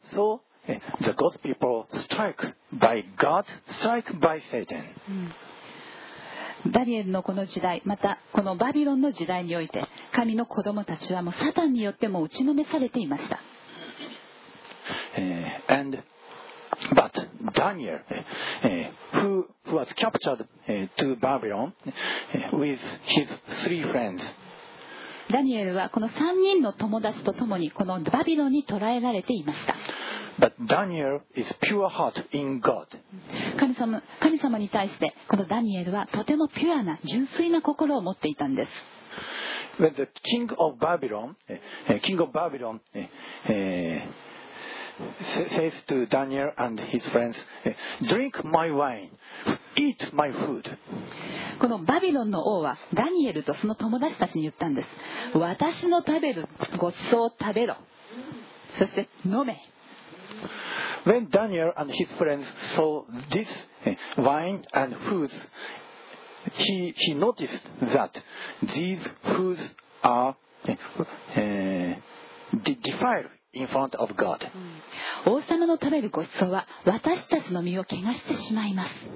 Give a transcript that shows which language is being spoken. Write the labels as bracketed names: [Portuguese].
[English] So,The God's people strike by God, strike by Satan. [Japanese] ダニエルのこの時代、またこのバビロンの時代において、神の子供たちはもうサタンによっても打ちのめされていました。 [English] And but Daniel, who was captured to Babylon with his three friends. [Japanese] ダニエルはこの3人の友達とともにこのバビロンに捕らえられていました。 [English] But Daniel is pure heart in God. [Japanese] 神様に対してこのダニエルはとてもピュアな純粋な心を持っていたんです。 [English] When the king of Babylon, says to Daniel and his friends, drink my wine, eat my food. [Japanese] このバビロンの王はダニエルとその友達たちに言ったんです。私の食べるごちそうを食べろ、そして飲め。 [English] When Daniel and his friends saw this wine and foods, he noticed that these foods are defiledin front of God. [Japanese] 王様の食べるごちそうは私たちの身を汚してしまいます。